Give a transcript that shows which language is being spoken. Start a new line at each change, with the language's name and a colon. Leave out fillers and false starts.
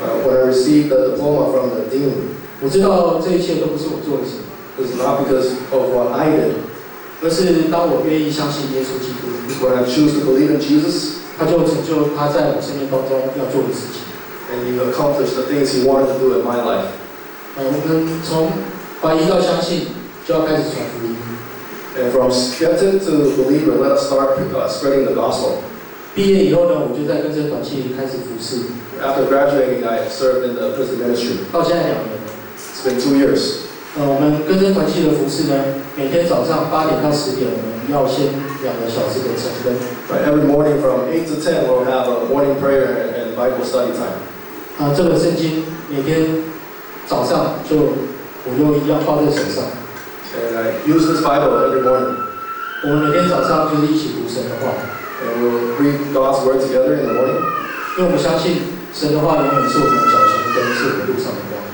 English: When I received the diploma from the dean
Chinese: 我知道这一切都不是我做的什么
English: It's not because of what I did
Chinese: 而是当我愿意相信耶稣基督
English: When I choose to believe in Jesus
Chinese: 他就成就他在我生命当中要做的事情
English: And he accomplished the things he wanted to do in my life
Chinese: 我们从怀疑到相信就要开始传福音
English: And from skeptic to believer, let us start spreading the gospel.
Chinese: 毕业以后呢，我就在跟这团契开始服事。
English: After graduating, I served in the prison ministry.
Chinese: 到现在两年了。
English: It's been 2 years.
Chinese: 我们跟这团契的服事呢，每天早上8点到10点，我们要先2个小时的晨更。
English: Right, every morning from 8 to 10, we'll have a morning prayer and Bible study time.
Chinese: 这个圣经每天早上就我就一样抱在手上。
English: And I use this Bible every morning.
Chinese: 我们每天早上就是一起读神的话。
English: And we'll read God's word together in the morning.
Chinese: 因为我们相信神的话永远是我们的脚前灯，是我们路上的光。